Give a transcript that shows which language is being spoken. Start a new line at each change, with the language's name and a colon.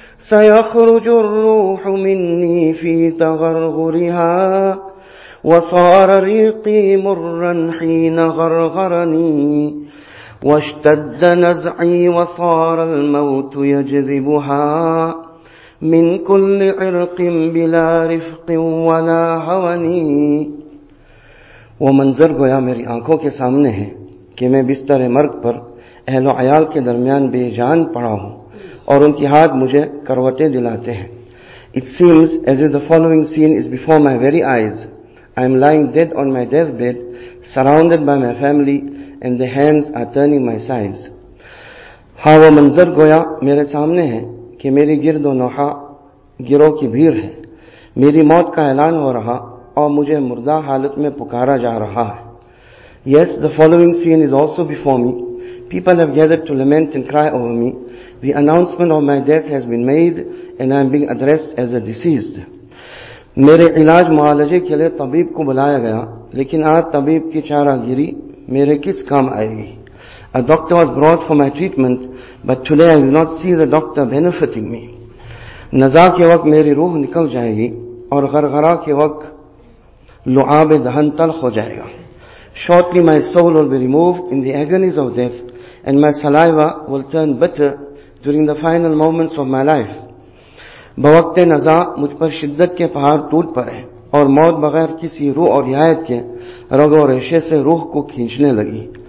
Arabic: سيخرج الروح مني في تغرغرها وصار ريقي مرا حين غرغرني واشتد نزعي وصار الموت يجذبها من كل عرق بلا رفق ولا هوني.
Urdu: وہ منظر گویا میری آنکھوں کے سامنے ہے کہ میں بستر مرگ پر اہل و عیال کے درمیان بے جان پڑا ہوں اور ان کی ہاتھ مجھے کروٹیں دلاتے ہیں.
English: It seems as if the following scene is before my very eyes. I am lying dead on my deathbed, surrounded by my family, and the hands are turning my sides.
Urdu: ہاں, وہ منظر گویا میرے سامنے ہے کہ میری گرد و نوحہ گروہ کی بھیڑ ہے. میری موت کا اعلان ہو رہا اور مجھے مردہ حالت میں پکارا جا رہا ہے.
English: Yes, the following scene is also before me. People have gathered to lament and cry over me. The announcement of my death has been made and I am being addressed as a deceased.
Urdu: میرے علاج معالجے کے لیے طبیب کو بلایا گیا, لیکن آج طبیب کی چارہ گیری میرے کس کام آئے گی.
English: A doctor was brought for my treatment, but today I do not see the doctor benefiting me.
Urdu: نزا کے وقت میری روح نکل جائے گی اور غرغرا کے وقت لعاب دہن تلخ ہو جائے گا.
English: Shortly my soul will be removed in the agonies of death and my saliva will turn bitter during the final moments of my life.
Urdu: بوقت نزا مجھ پر شدت کے پہاڑ ٹوٹ پڑے اور موت بغیر کسی روح اور رعایت کے رگ و ریشے سے روح کو کھینچنے لگی.